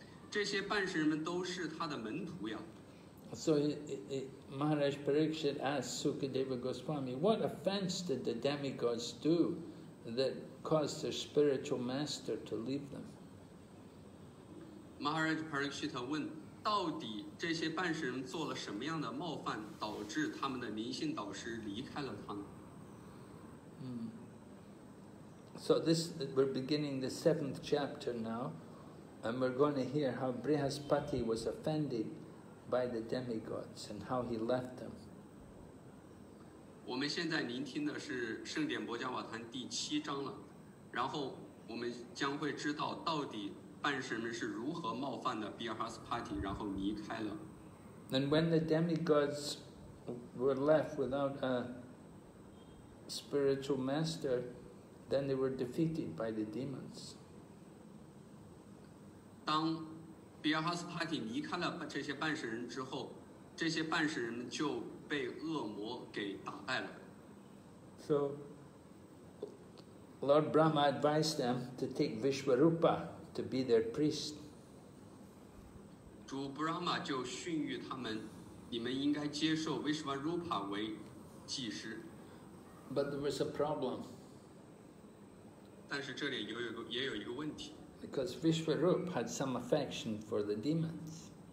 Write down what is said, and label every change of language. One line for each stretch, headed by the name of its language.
Chinese: 这些半神们都是他的门徒呀。
English: So Maharaj Parikshit asked Sukadeva Goswami, what offense did the demigods do that caused their spiritual master to leave them?
Chinese: Maharaj Parikshit 问到底这些半神做了什么样的冒犯，导致他们的灵性导师离开了他们？
English: So this, we're beginning the seventh chapter now, and we're going to hear how Brihaspati was offended by the demigods and how he left them.
Chinese: 我们现在聆听的是圣典博加瓦坛第七章了，然后我们将会知道到底半神们是如何冒犯的 Brihaspati， 然后离开了。
English: And when the demigods were left without a spiritual master, then they were defeated by the demons.
Chinese: 当 Brihaspati 离开了这些半神人之后，这些半神人就被恶魔给打败了。
English: So Lord Brahma advised them to take Vishwarupa to be their priest.
Chinese: 主 Brahma 就训谕他们，你们应该接受 Vishwarupa 为祭师。
English: But there was a problem.
Chinese: 但是这里也有一个问题。
English: Because Vishwarupa had some affection for the demons.